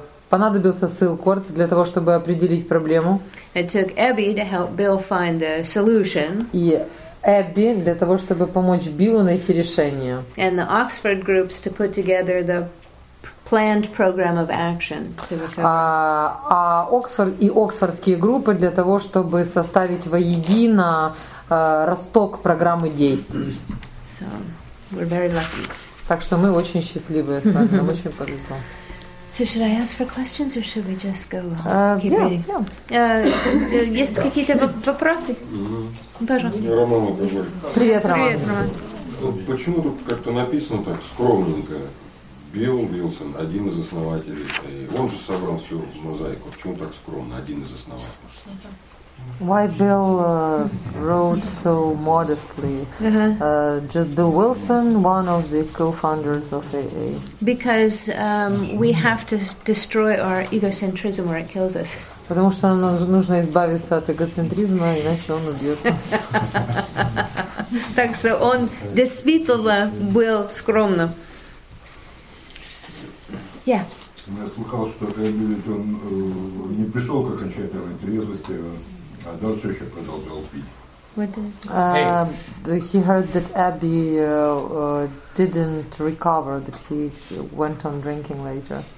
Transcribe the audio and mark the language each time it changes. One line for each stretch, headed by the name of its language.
Russian: Понадобился Silkworth для того, чтобы определить проблему.
English: It took Abby to help Bill find the solution.
Russian: И Эбби для того, чтобы помочь Биллу найти решение.
English: And the Oxford groups to put together the planned program of action to recover.
Russian: Оксфорд и оксфордские группы для того, чтобы составить воедино росток программы действий.
English: So, we're very lucky.
Russian: Так что мы очень счастливы с вами, нам очень повезло.
English: So should I ask for questions, or should we just go?
Russian: Есть какие-то вопросы? Пожалуйста. Роман, пожалуйста. Привет, Роман. Привет, Роман. Почему тут как-то написано так скромненько? Билл Уилсон, один из основателей. Он же собрал всю мозаику. Почему так скромно? Один из основателей.
English: Why Bill wrote so modestly? Just Bill Wilson, one of the co-founders of AA. Because we have to destroy our egocentrism or it kills us.
Russian: Потому что нам нужно избавиться от эгоцентризма, иначе он убьет нас. Так что он действительно был скромным.
English: Yeah.
Russian: Я слыхал, что он не пришел к окончательной трезвости.
English: He heard that Abby didn't recover, that he went on drinking later.